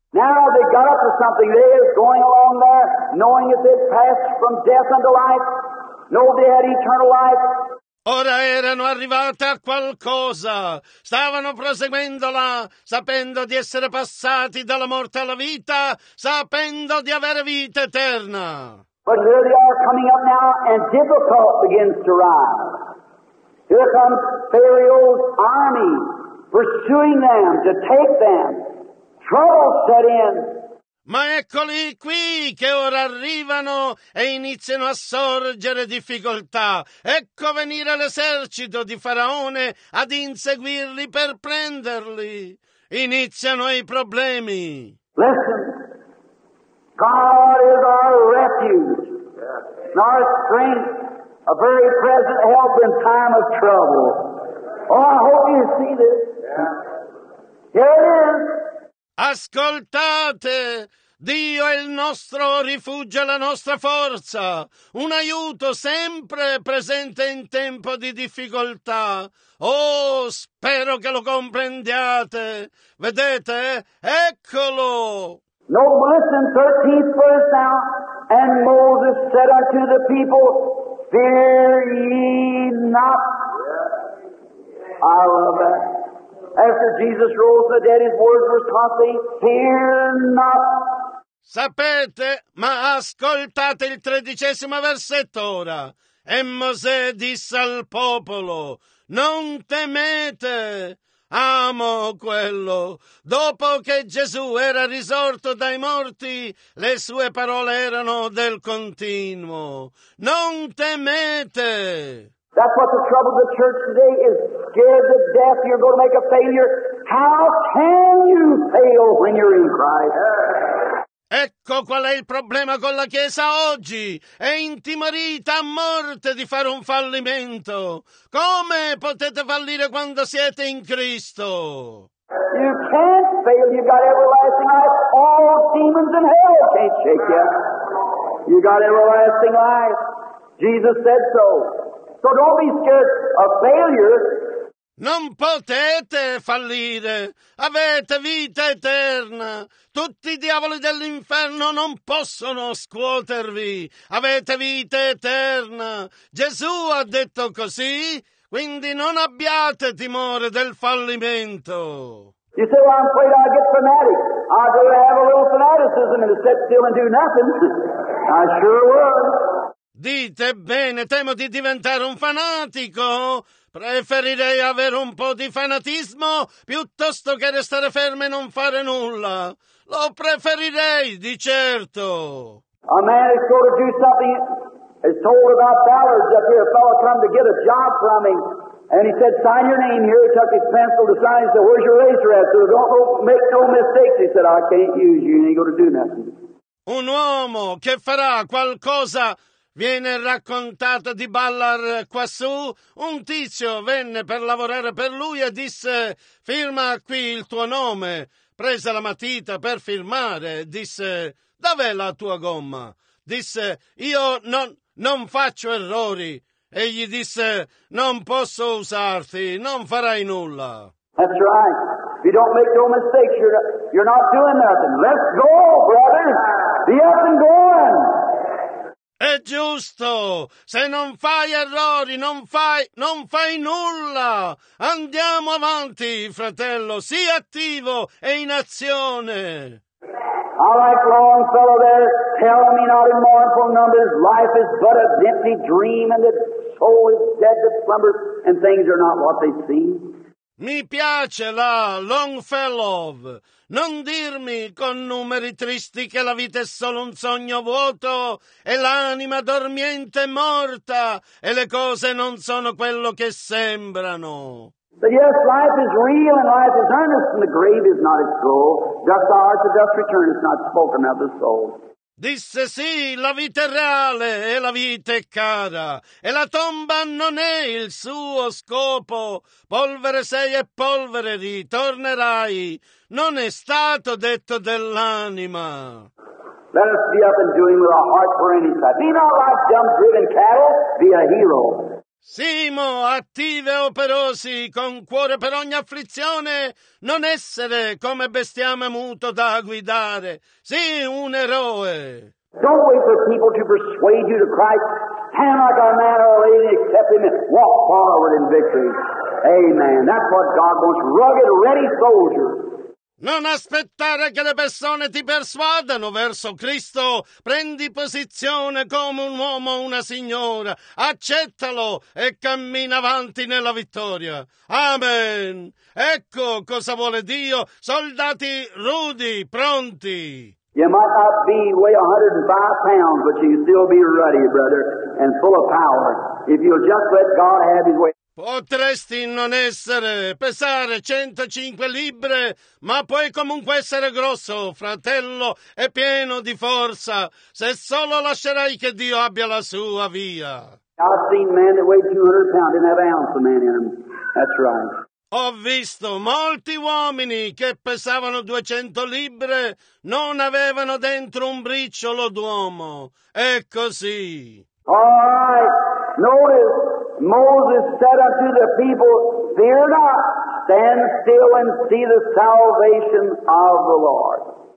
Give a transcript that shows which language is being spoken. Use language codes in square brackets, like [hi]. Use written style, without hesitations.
[en] Now they got up to something. They are going along there, knowing that they passed from death unto life, know they had eternal life. [it] Ora erano arrivate a qualcosa, stavano proseguendola, sapendo di essere passati dalla morte alla vita, sapendo di avere vita eterna. [en] But here they are coming up now, and difficulty begins to rise. Here comes Pharaoh's army pursuing them to take them. Trouble set in. [it] Ma eccoli qui che ora arrivano e iniziano a sorgere difficoltà. Ecco venire l'esercito di Faraone ad inseguirli per prenderli. Iniziano i problemi. [en] Listen, God is our refuge, our strength, a very present help in time of trouble. Oh, I hope you see this. Here it is. [it] Ascoltate, Dio è il nostro rifugio e la nostra forza, un aiuto sempre presente in tempo di difficoltà. Oh, spero che lo comprendiate. Vedete? Eccolo! [en] No, listen, 13th verse now. And Moses said unto the people, fear ye not. I love that. After Jesus rose the dead, his words were constantly, fear not. [it] Sapete, ma ascoltate il 13° versetto ora. E Mosè disse al popolo, non temete. Amo quello. Dopo che Gesù era risorto dai morti, le sue parole erano del continuo. Non temete. [en] That's what the trouble of the church today is, scared to death, you're going to make a failure. How can you fail when you're in Christ? [it] Ecco qual è il problema con la Chiesa oggi. È intimorita a morte di fare un fallimento. Come potete fallire quando siete in Cristo? [en] You can't fail. You've got everlasting life. All demons in hell can't shake you. You've got everlasting life. Jesus said so. So don't be scared of failure. [it] Non potete fallire, avete vita eterna, tutti i diavoli dell'inferno non possono scuotervi, avete vita eterna. Gesù ha detto così, quindi non abbiate timore del fallimento. [en] You say, well, I'm afraid I'll get fanatic. I'll go have a little fanaticism and sit still and do nothing. I sure would. [it] Dite bene, temo di diventare un fanatico. Preferirei avere un po' di fanatismo piuttosto che restare fermo e non fare nulla. Lo preferirei, di certo. [en] A man is going to do something. He's told about Ballard's up here. A fellow come to get a job from him. And he said, sign your name here. He took his pencil to sign. He said, where's your razor at? So don't make no mistakes. He said, I can't use you. You ain't going to do nothing. [it] Un uomo che farà qualcosa. Viene raccontato di Ballard quassù, un tizio venne per lavorare per lui e disse, firma qui il tuo nome. Prese la matita per firmare, disse, dov'è la tua gomma? Disse, io non faccio errori. E gli disse, non posso usarti, non farai nulla. [en] That's right. You don't make no mistakes, you're not doing nothing. Let's go, brother. Be up and going. [it] È giusto, se non fai errori, non fai nulla. Andiamo avanti, fratello, sii attivo e in azione. [en] All right, Longfellow there, tell me not in mournful numbers, life is but a empty dream and the soul is dead to slumber and things are not what they seem. [it] Mi piace là, Longfellow. Non dirmi con numeri tristi che la vita è solo un sogno vuoto e l'anima dormiente morta e le cose non sono quello che sembrano. [en] But yes, life is real and life is earnest and the grave is not its goal. Just the heart of death return is not spoken of the soul. [it] Disse sì, la vita è reale e la vita è cara, e la tomba non è il suo scopo. Polvere sei e polvere ritornerai. Non è stato detto dell'anima. [en] Let us be up and doing with our heart for any side. Be not like dumb driven cattle, be a hero. [it] Simo, attive e operosi, con cuore per ogni afflizione, non essere come bestiame muto da guidare. Sii un eroe. [en] Don't wait for people to persuade you to Christ. stand like a man or a lady, accept him, and walk forward in victory. Amen. That's what God wants, rugged, ready soldiers. [it] Non aspettare che le persone ti persuadano verso Cristo. Prendi posizione come un uomo o una signora. Accettalo e cammina avanti nella vittoria. Amen. Ecco cosa vuole Dio. Soldati rudi, pronti. [en] You might not be weigh 105 pounds, but you can still be ruddy, brother, and full of power. If you'll just let God have his way. [it] Potresti non essere, pesare 105 libbre, ma puoi comunque essere grosso, fratello, e pieno di forza, se solo lascerai che Dio abbia la sua via. [en] I've seen men that weigh 200 pounds, didn't have an ounce of man in them. That's right. [it] Ho visto molti uomini che pesavano 200 libbre, non avevano dentro un briciolo d'uomo. È così. [en] All right, notice. Moses said unto the people, fear not, stand still and see the salvation of the Lord.